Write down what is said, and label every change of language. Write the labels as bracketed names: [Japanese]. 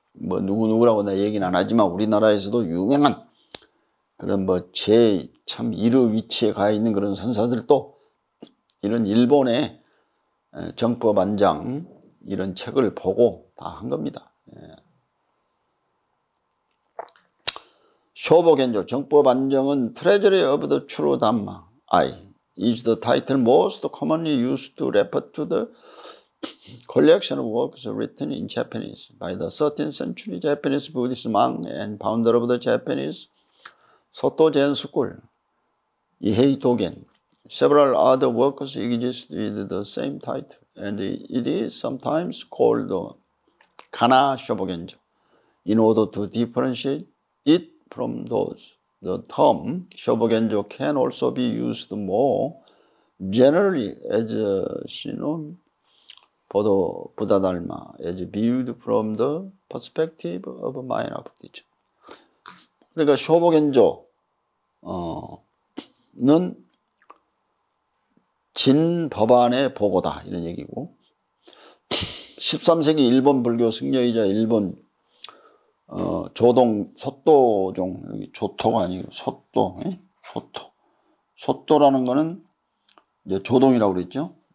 [Korean] 뭐 누구누구라고 내가 얘기는 안 하지만 우리나라에서도 유명한 그런 뭐제참 1의 위치에 가 있는 그런 선사들도 이런 일본의 정법안장 이런 책을 보고 다한 겁니다. 쇼보겐조 정법안장은 [English] Treasury of the True Dhamma is the title most commonly used to refer to the collection of works written in Japanese by the 13th century Japanese Buddhist monk and founder of the Japanese Soto Zen School, Ihei Dogen. Several other works exist with the same title, and it is sometimes called Kana Shobogenzo in order to differentiate it from those. The term Shobogenzo can also be used more generally as a synonym for the Buddha Dharma, as viewed from the perspective of minor Buddhism. [Korean] 그러니까 쇼보겐조는 진법안의 보고다 이런 얘기고, 13세기 일본 불교 승려이자 일본 조동 소또종 여기 조토가 아니고 소또, 소또라는 거는 이제 조동이라고 그랬죠.